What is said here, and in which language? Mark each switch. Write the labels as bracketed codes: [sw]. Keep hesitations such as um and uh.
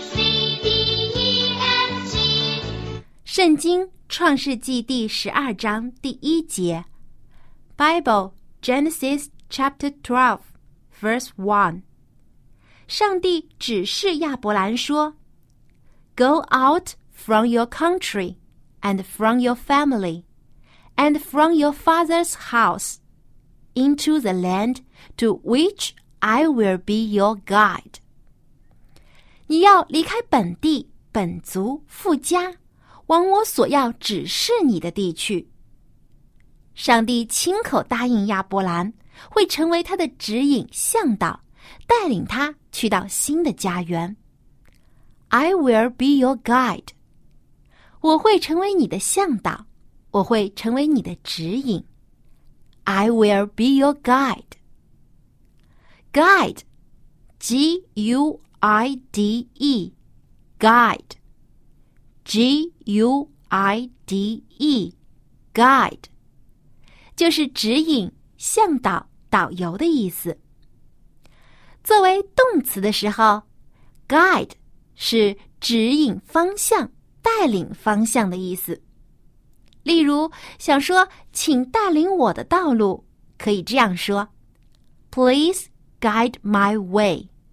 [zh] C D E F G，《 圣经》创世纪第十二章第一节， [en] Bible Genesis Chapter Twelve, Verse One。 [zh] 上帝指示亚伯兰说： [en] “Go out。 ” From your country, and from your family, and from your father's house, into the land to which I will be your guide。 [zh] 你要离开本地、本族、富家，往我所要指示你的地区。上帝亲口答应亚伯兰会成为他的指引向导，带领他去到新的家园。 [en] I will be your guide。 [zh] 我会成为你的向导，我会成为你的指引。 [en] I will be your guide. Guide, G U I D E, guide, G U I D E, guide， [zh] 就是指引、向导、导游的意思。作为动词的时候，guide 是指引方向。带领方向的意思，例如想说“请带领我的道路”，可以这样说： [en] “Please guide my way。